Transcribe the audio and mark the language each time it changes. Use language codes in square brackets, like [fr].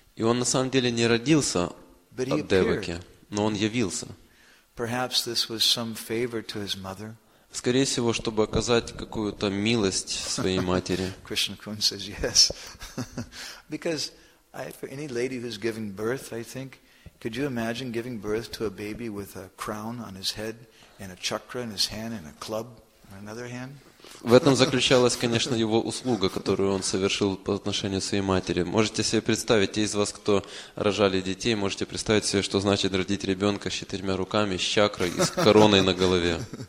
[ru] И он на самом деле не родился от Деваки, но он явился. [en] Perhaps this was some favor to his mother. [ru] Скорее всего, чтобы оказать какую-то милость своей матери. [en] Krishna Kun says yes. Because for any lady who's giving birth, I think, could you imagine giving birth to a baby with a crown on his head and a chakra in his hand and a club in another hand? [ru] В этом заключалась, конечно, его услуга, которую он совершил по отношению к своей матери. Можете себе представить, те из вас, кто рожали детей, можете представить себе, что значит родить ребенка с четырьмя руками, с чакрой и с короной на голове.